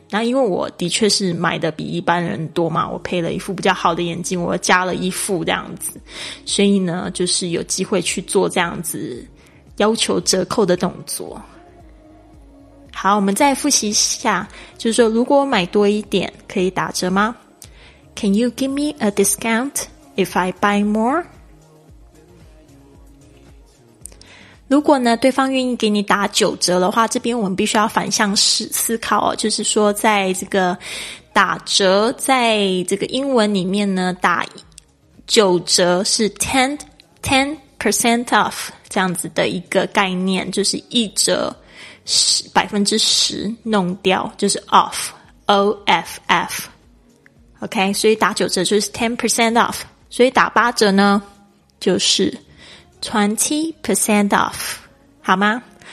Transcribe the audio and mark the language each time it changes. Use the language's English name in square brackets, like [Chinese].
[Chinese] 那因为我的确是买的比一般人多嘛，我配了一副比较好的眼镜，我加了一副这样子，所以呢就是有机会去做这样子要求折扣的动作。好，我们再复习一下，就是说如果我买多一点可以打折吗？ [English] Can you give me a discount if I buy more? [Chinese] 如果呢对方愿意给你打九折的话，这边我们必须要反向思考哦，就是说在这个打折在这个英文里面呢，打九折是 10% off 这样子的一个概念，就是一折10%弄掉，就是 off OFF OK， 所以打九折就是 10% off， 所以打八折呢就是 20% off， 好吗？